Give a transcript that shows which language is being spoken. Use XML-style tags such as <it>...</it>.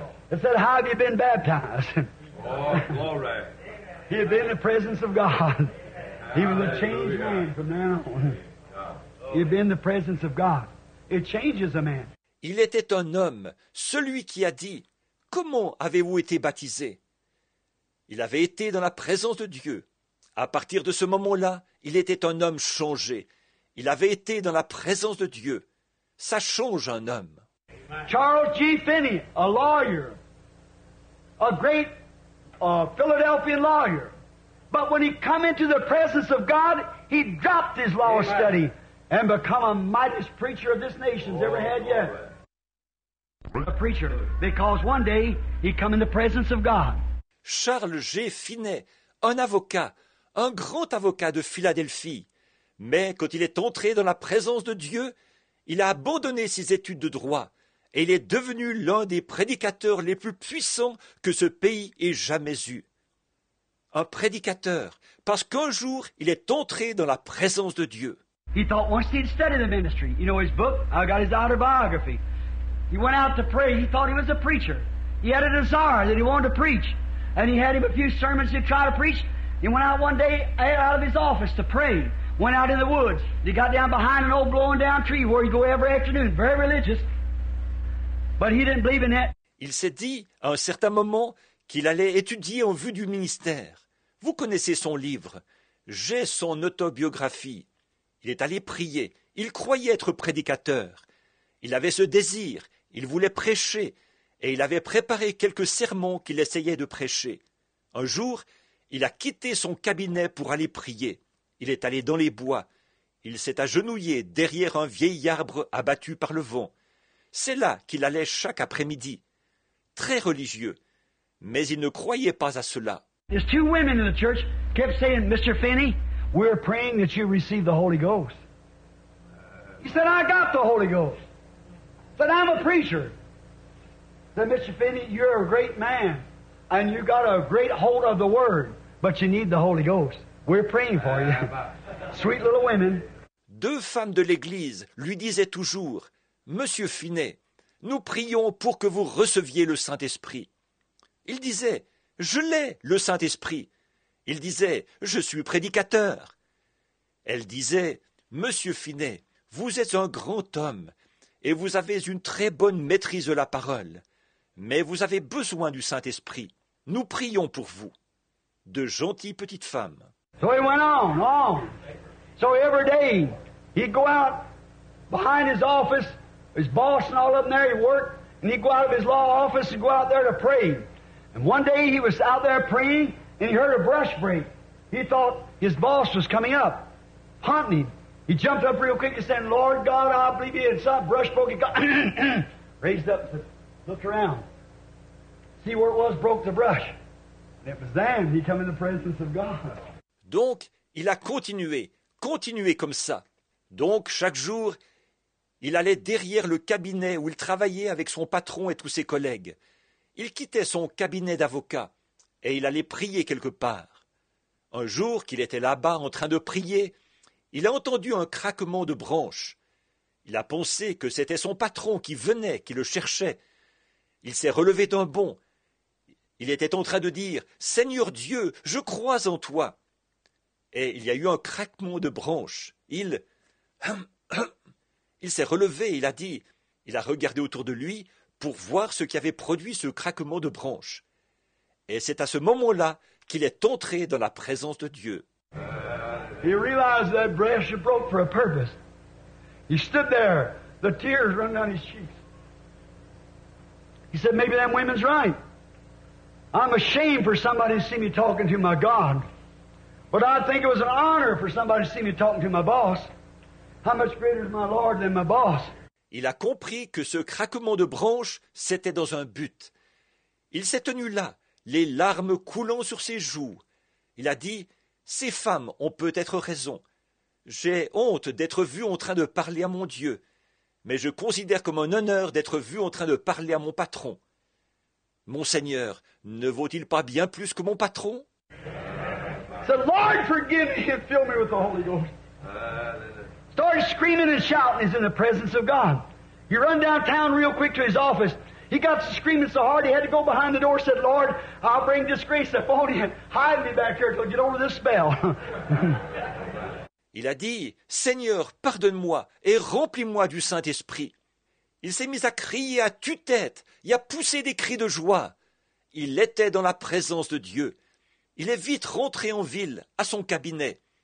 <en>He said, how have you been baptized? Oh, glory. He had been in the presence of God. He was a changed man from then on. He had been in the presence of God. It changes a man.</en> <fr>Il était un homme, celui qui a dit, comment avez-vous été baptisé? Il avait été dans la présence de Dieu. À partir de ce moment-là, il était un homme changé. Il avait été dans la présence de Dieu. Ça change un homme.</fr> <en>Charles G. Finney, a lawyer, a great Philadelphian lawyer. But when he come into the presence of God, he dropped his law Amen. Study and become a mightiest preacher of this nation's ever had yet. A preacher, because one day he come in the presence of God.</en> <fr>Charles G. Finney, un avocat, un grand avocat de Philadelphie. Mais quand il est entré dans la présence de Dieu, il a abandonné ses études de droit. Et il est devenu l'un des prédicateurs les plus puissants que ce pays ait jamais eu. Un prédicateur, parce qu'un jour, il est entré dans la présence de Dieu.</fr> <en>He thought once he'd study the ministry. You know his book? I got his autobiography. He went out to pray. He thought he was a preacher. He had a desire that he wanted to preach. And he had him a few sermons to try to preach. He went out one day out of his office to pray. Went out in the woods. He got down behind an old blowing down tree where he'd go every afternoon. Very religious. But he didn't believe in that.</en> <fr>Il s'est dit, à un certain moment, qu'il allait étudier en vue du ministère. Vous connaissez son livre. J'ai son autobiographie. Il est allé prier. Il croyait être prédicateur. Il avait ce désir. Il voulait prêcher. Et il avait préparé quelques sermons qu'il essayait de prêcher. Un jour, il a quitté son cabinet pour aller prier. Il est allé dans les bois. Il s'est agenouillé derrière un vieil arbre abattu par le vent. C'est là qu'il allait chaque après-midi. Très religieux. Mais il ne croyait pas à cela.</fr> <en>There's two women in the church kept saying, Mr. Finney, we're praying that you receive the Holy Ghost. He said, I got the Holy Ghost. But I'm a preacher. Said, Mr. Finney, you're a great man. And you got a great hold of the word. But you need the Holy Ghost. We're praying for you. Sweet little women.</en> <fr>Deux femmes de l'église lui disaient toujours, « Monsieur Finney, nous prions pour que vous receviez le Saint-Esprit. » Il disait, « Je l'ai, le Saint-Esprit. » Il disait, « Je suis prédicateur. » Elle disait, « Monsieur Finney, vous êtes un grand homme. et vous avez une très bonne maîtrise de la parole, mais vous avez besoin du Saint-Esprit. Nous prions pour vous. De gentilles petites femmes.</fr> <en>So he went on. So every day, he'd go out behind his office, his boss and all of them there, he worked, and he'd go out of his law office and go out there to pray. And one day he was out there praying, and he heard a brush break. He thought his boss was coming up, hunting him. He jumped up real quick and said, Lord God, I believe he had some brush broke. He got raised up and said, looked around. See where it was, broke the brush. And it was then he came in the presence of God.</en> <fr>Donc, il a continué comme ça. Donc, chaque jour, il allait derrière le cabinet où il travaillait avec son patron et tous ses collègues. Il quittait son cabinet d'avocat et il allait prier quelque part. Un jour qu'il était là-bas en train de prier, il a entendu un craquement de branches. Il a pensé que c'était son patron qui venait, qui le cherchait. Il s'est relevé d'un bond. Il était en train de dire « Seigneur Dieu, je crois en toi ». Et il y a eu un craquement de branches. Il s'est relevé, il a dit, il a regardé autour de lui pour voir ce qui avait produit ce craquement de branches. Et c'est à ce moment-là qu'il est entré dans la présence de Dieu.</fr> <en>He realized that branch broke for a purpose. He stood there, the tears running down his cheeks. He said, maybe that woman's right. I'm ashamed for somebody to see me talking to my God. But I think it was an honor for somebody to see me talking to my boss. How much greater is my Lord than my boss?</en> <fr>Il a compris que ce craquement de branche, c'était dans un but. Il s'est tenu là, les larmes coulant sur ses joues. Il a dit, « Ces femmes ont peut-être raison. J'ai honte d'être vu en train de parler à mon Dieu, mais je considère comme un honneur d'être vu en train de parler à mon patron. Mon Seigneur, ne vaut-il pas bien plus que mon patron ?»</fr> <en>The Lord forgive me and fill me with the Holy Ghost. Started screaming and shouting. He's in the presence of God. He run downtown real quick to his office. He got to screaming so hard he had to go behind the door. Said, Lord, I'll bring disgrace upon you. Hide me back here till I get over this spell.</en> <fr>Il a dit, Seigneur, pardonne-moi et remplis-moi du Saint-Esprit. Il s'est mis à crier à tue-tête et à pousser des cris de joie. Il était dans la présence de Dieu. Il est vite rentré en ville, à son cabinet.</fr>